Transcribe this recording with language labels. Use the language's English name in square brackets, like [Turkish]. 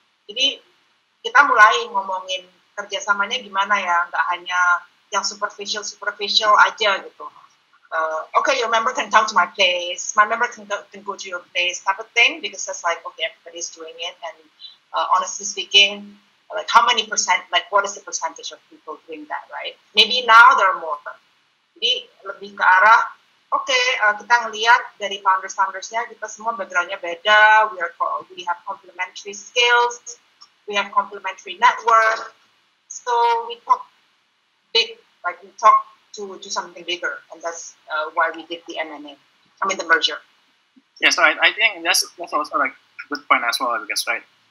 [Indonesian] Jadi kita mulai ngomongin kerjasamanya gimana ya, nggak hanya yang superficial aja gitu. [English] Okay, your member can come to my place. My member can go to your place, type of thing. Because it's like, okay, everybody's doing it. And honestly speaking, like how many percent? Like what is the percentage of people doing that, right? Maybe now there are more. [Indonesian] Jadi lebih ke arah, kita ngelihat dari founders-foundersnya, kita semua backgroundnya beda. [English] We have complementary skills. We have complementary network. So we talk big, like we talk to do something bigger, and that's why we did the MNA. I mean the merger. Yeah, so I think that's also like a good point as well, I guess, right?